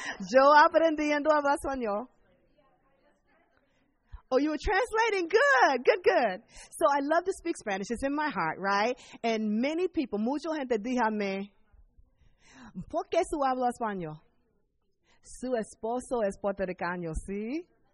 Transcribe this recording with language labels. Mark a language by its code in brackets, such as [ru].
[es] Yo aprendiendo a hablar español. [en] Oh, you were translating. Good, good, good. So I love to speak Spanish. It's in my heart, right? And many people, [es] mucho gente, díjame, ¿por qué su habla español? Su esposo es puertorriqueño, ¿sí?